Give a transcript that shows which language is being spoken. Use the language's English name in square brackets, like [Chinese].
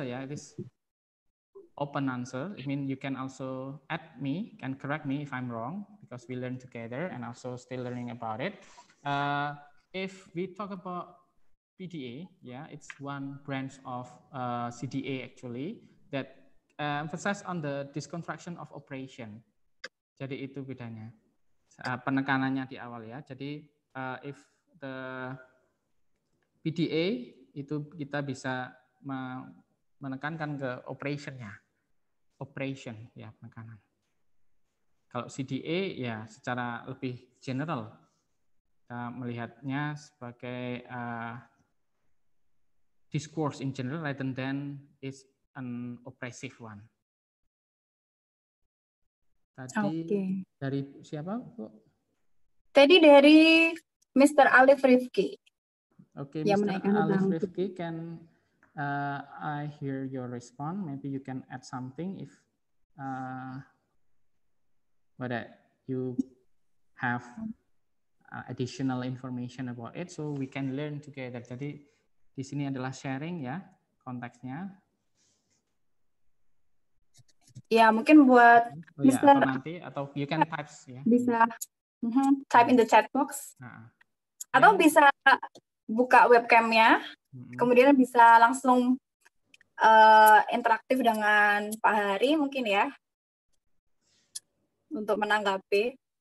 [English] Yeah, it is open answer. I mean, you can also add me and correct me if I'm wrong, because we learn together and also still learning about it. If we talk about PDA, yeah, it's one branch of CDA actually that emphasizes on the deconstruction of operation. [Indonesian] Jadi itu bedanya. Penekanannya di awal ya. Jadi [English] if the PDA [Indonesian] itu kita bisa menekankan ke operationnya. Operation ya penekanan. Kalau CDA ya secara lebih general kita melihatnya sebagai [English] discourse in general rather than is an oppressive one. [Indonesian] Tadi okay. dari siapa, Bu? Tadi dari Mr. Alif Rifki. [English] Oke, okay, Mr. Alif Rifki, can I hear your response? Maybe you can add something if what you have additional information about it, so we can learn together. [Indonesian] Jadi di sini adalah sharing ya konteksnya. Ya, mungkin buat oh, Mister, ya, atau nanti atau [English] you can type [Indonesian] ya. Bisa mm-hmm, [English] type in the chat box. [Indonesian] Nah, atau yeah. bisa buka webcamnya, mm-hmm. kemudian bisa langsung interaktif dengan Pak Hari mungkin ya untuk menanggapi.